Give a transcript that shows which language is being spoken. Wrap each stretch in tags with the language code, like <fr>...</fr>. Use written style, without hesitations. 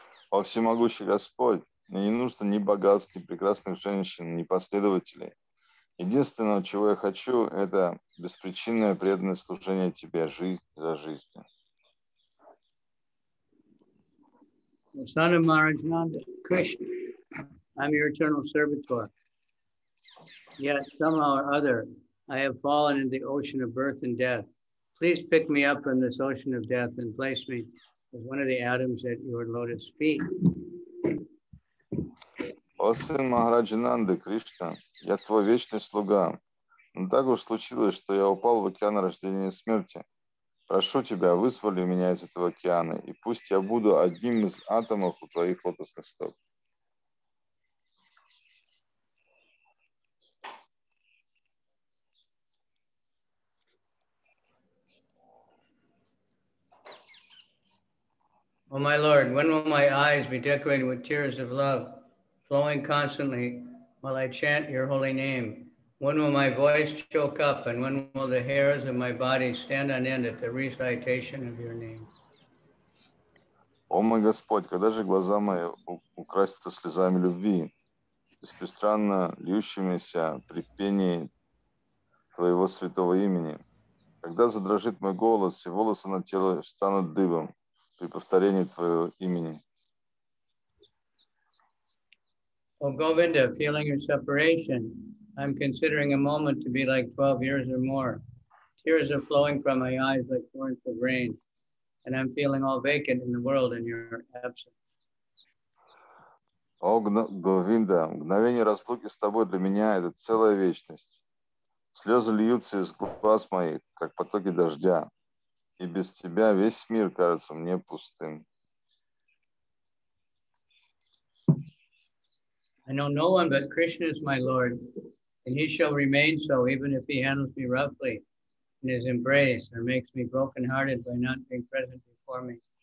<ru>О всемогущий Господь, мне не нужно ни богатств, ни прекрасных женщин, ни последователей. Единственное, чего я хочу, это беспричинное преданное служение Тебе, жизнь за жизнью.</ru> <en>Son of Maharajananda, Krishna, I'm your eternal servitor. Yet somehow or other, I have fallen in the ocean of birth and death. Please pick me up from this ocean of death and place me as one of the atoms at your lotus feet.</en> <ru>О, сын Махараджинанды, Кришна, я твой вечный слуга. Но так уж случилось, что я упал в океан рождения и смерти. Прошу тебя, вызволи меня из этого океана, и пусть я буду одним из атомов у твоих лотосных стоп. О, мой лорд,</ru> <en>when will my eyes be decorated with tears of love? Flowing constantly while I chant your holy name. When will my voice choke up and when will the hairs of my body stand on end at the recitation of your name?</en> <ru>О мой Господь, когда же глаза мои украсятся слезами любви, беспрестанно льющимися при пении твоего святого имени? Когда задрожит мой голос и волосы на теле станут дыбом при повторении твоего имени?</ru> <en>O Govinda, feeling your separation, I'm considering a moment to be like 12 years or more. Tears are flowing from my eyes like torrents of rain, and I'm feeling all vacant in the world in your absence.</en> <ru>О Говинда, мгновение разлуки с тобой для меня – это целая вечность. Слезы льются из глаз моих, как потоки дождя, и без тебя весь мир кажется мне пустым.</ru> <en>I know no one but Krishna is my Lord, and he shall remain so even if he handles me roughly in his embrace or makes me brokenhearted by not being present before me.</en>